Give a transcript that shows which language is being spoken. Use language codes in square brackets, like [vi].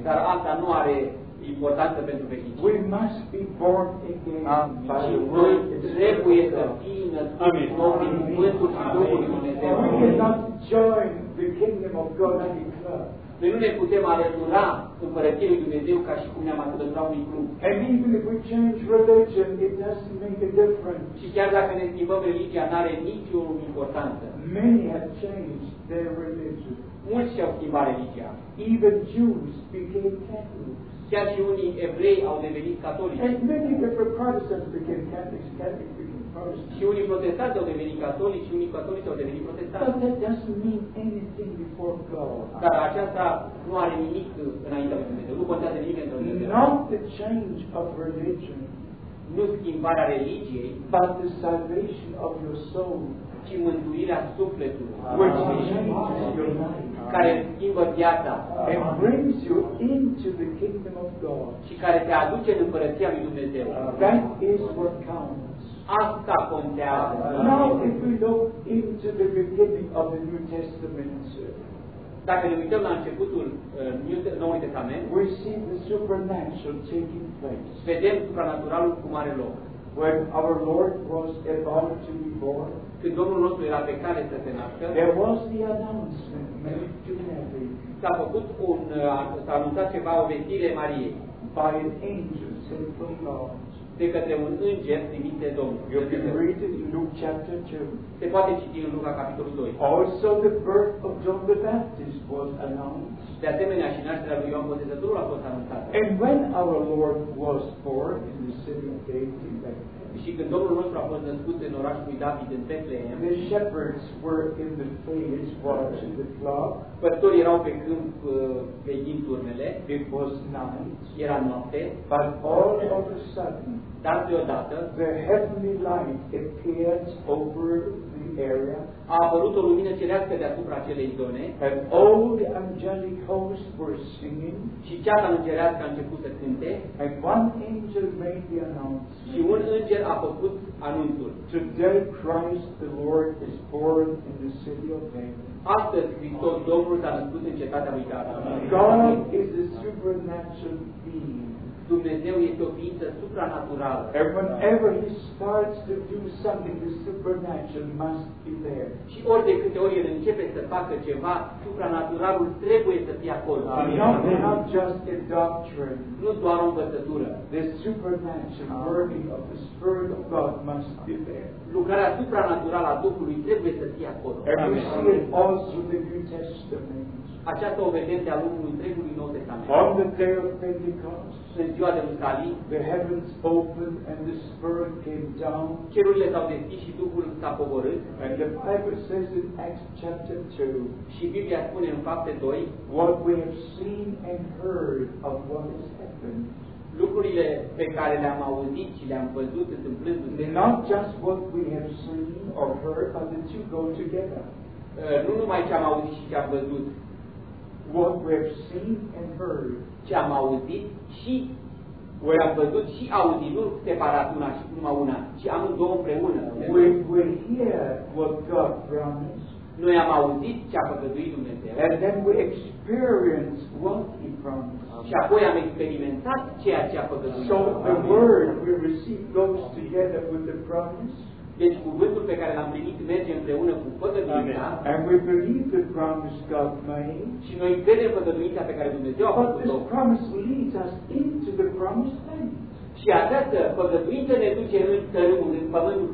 [ro] Dar asta nu are importanță pentru veșnicie. [en] We must be born again. [ro] Și noi trebuie să fim născuți din nou prin Cuvântul și Duhul Dumnezeu. [en] We cannot join the kingdom of God in the club. [ro] Noi nu ne putem alătura împărăției lui Dumnezeu ca și cum ne-am alătura unui club. [en] And even if we change religion, it doesn't make a difference. [ro] Și chiar dacă ne schimbăm religia, nu are nicio importanță. [en] Many have changed their religion. [ro] Mulți au schimbat religia. [en] Even Jews became Catholics. [ro] Chiar și unii evrei au devenit catolici. [en] And many different Protestants became Catholics. Catholics became Protestants. [ro] Și unii protestanți au devenit catolici, și unii catolici au devenit protestanți. [en] But that doesn't mean anything before God. [ro] Dar aceasta nu are nimic înaintea lui Dumnezeu. Nu contează nimic înaintea lui Dumnezeu. [en] Not the change of religion. [ro] Nu schimbarea religiei. [en] But the salvation of your soul. [ro] Și mântuirea sufletului. [en] Which changes your mind. [ro] Care schimbă viața [en] and brings you into the kingdom of God. [ro] Și care te aduce în împărăția lui Dumnezeu. [en] That is what counts. [ro] Asta contează. [en] Now if we look into the beginning of the New Testament, [ro] dacă ne uităm la începutul Noului Testament, [en] we see the supernatural taking place. [ro] Vedem supranaturalul cum are loc. [en] When our Lord was about to be born, [ro] când Domnul nostru era pe cale să se nască, [en] there was the announcement to Mary. [ro] S-a făcut un s-a anunțat ceva, o vestire Marie. [en] By an angel sent from God. [ro] De către un înger trimis de Domnul. [en] You can read it in Luke chapter 2. [ro] Se poate citi în Luca capitolul 2. [en] Also the birth of John the Baptist was announced. [ro] De asemenea și nașterea lui Ioan Botezătorul a fost anunțată. [en] And when our Lord was born in the city of David in Bethlehem. [ro] Și când Domnul nostru a fost născut în orașul lui David în Betlehem, [en] the shepherds were in the fields watching the flock. [ro] Păstorii erau pe câmp veghind turmele. [en] It was night. [ro] Era noapte. [en] But all of a sudden, [ro] dar deodată, [en] the heavenly light appeared over the area. [ro] A apărut o lumină cerească deasupra acelei zone. [en] And all the angelic hosts were singing. [ro] Și ceata îngerească a început să cânte. [en] And one angel made the announcement. [ro] Și un înger a făcut anunțul. [en] Today Christ the Lord is born in the city of David. [ro] Astăzi Hristos Domnul s-a născut în cetatea lui David. [en] God is a supernatural being. [ro] Dumnezeu este o ființă supranaturală. [en] And whenever he starts to do something, the supernatural must be there. [ro] Și ori de câte ori el începe să facă ceva, supranaturalul trebuie să fie acolo. [en] Not just a doctrine. [ro] Nu doar o învățătură. [en] The supernatural working of the Spirit of God must be there. [ro] Lucrarea supranaturală a Duhului trebuie să fie acolo. [en] And we see it all through the New Testament. [ro] Aceasta o vedem de-a lungul întregului Nou Testament. [en] On the day of Pentecost, [ro] în ziua de Lucali, [en] the heavens opened and the Spirit came down. [ro] Cerurile s-au deschis și Duhul s-a coborât. [en] And the Bible says in Acts chapter 2. [ro] Și Biblia spune în Fapte 2. [en] What we have seen and heard of what has happened. [ro] Lucrurile pe care le-am auzit și le-am văzut întâmplându-se. [en] Not just what we have seen or heard, but the two go together. [ro] Nu numai ce am auzit și ce am văzut. [en] What we've seen and heard, [ro] ce am auzit și ce am văzut și auzit, nu separat una și numai una, ci amândouă împreună. [en] We hear what God promised. [ro] Noi am auzit ce a făgăduit Dumnezeu. [en] And then we experience what He promised. [ro] Și apoi am experimentat ceea ce a făgăduit. [en] So the word we receive goes together with the promise. [ro] Deci cuvântul pe care l-am primit merge împreună cu făgăduința. [en] And we believe the promise God made. [ro] Și noi credem făgăduința pe care Dumnezeu a făcut-o. [en] But this promise leads us into the promised land. [ro] Și această făgăduință ne duce în tărâmul, în pământul